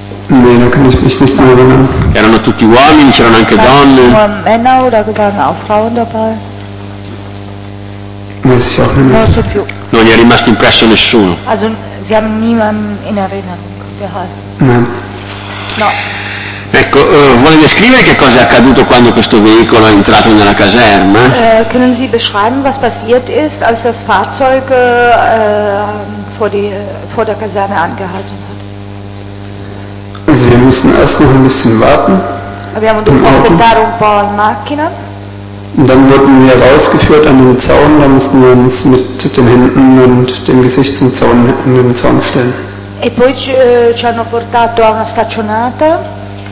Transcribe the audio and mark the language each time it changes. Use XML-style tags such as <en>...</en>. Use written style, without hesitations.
<de>Nee, da kann ich mich nicht mehr erinnern.</de> <it>Erano tutti uomini, c'erano anche donne.</it> <de>Männer oder waren auch Frauen dabei? Weiß ich auch nicht.</de> <it>Non so più. Non gli è rimasto impresso nessuno.</it> <de>Also, sie haben niemanden in Erinnerung gehalten. Nein.</de> <it>No. Ecco, vuole descrivere che cosa è accaduto quando questo veicolo è entrato nella caserma?</it> <de>Können Sie beschreiben, was passiert ist, als das Fahrzeug vor der Kaserne angehalten hat? Also wir mussten erst noch ein bisschen warten.</de> <it>Abbiamo dovuto aspettare un po' in macchina.</it> <de>Und dann wurden wir rausgeführt an den Zaun, da mussten wir uns mit den Händen und dem Gesicht zum Zaun in den Zaun stellen.</de> <it>E poi ci hanno portato a una staccionata.</it>